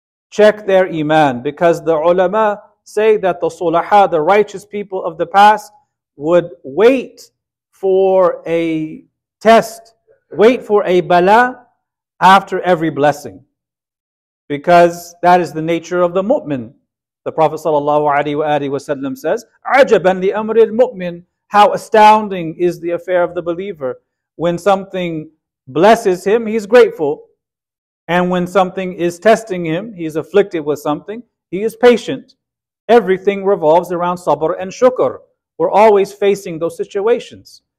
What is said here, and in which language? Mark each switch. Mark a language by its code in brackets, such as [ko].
[en] Check their iman, because the ulama say that the sulaha, the righteous people of the past, would wait for a test, wait for a bala after every blessing. Because that is the nature of the mu'min. The Prophet ﷺ says, [ar] عَجَبًا لِأَمْرِ الْمُؤْمِنِ. [en] How astounding is the affair of the believer. When something blesses him, he's grateful. And when something is testing him, he's afflicted with something, he is patient. Everything revolves around sabr and shukr. We're always facing those situations.